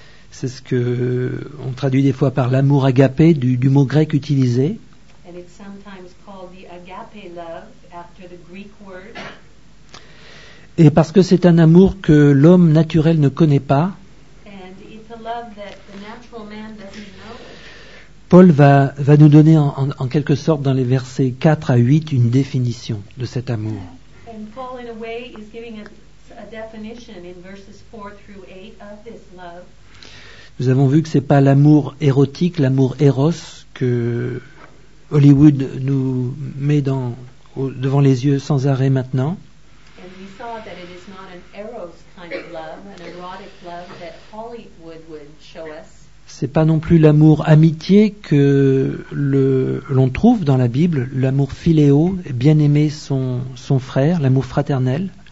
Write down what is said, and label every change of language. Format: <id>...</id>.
<fr>C'est ce que on traduit des fois par l'amour agapé du mot grec utilisé.</fr> <en>And it's sometimes called the agape love after the Greek word.</en> <fr>Et parce que c'est un amour que l'homme naturel ne connaît pas.</fr> <en>And it's a love that the natural man doesn't know.</en> <fr>Paul va nous donner en quelque sorte dans les versets 4 à 8 une définition de cet amour.</fr> <en>And Paul, in a way, is giving a definition in verses 4 through 8 of this love.</en> <fr>Nous avons vu que c'est pas l'amour érotique, l'amour éros que Hollywood nous met devant les yeux sans arrêt maintenant.</fr> <en>And we saw that it is not an eros kind of love, an erotic love that Hollywood would show us.</en> <fr>C'est pas non plus l'amour amitié que l'on trouve dans la Bible, l'amour philéo, bien aimer son frère, l'amour fraternel.</fr>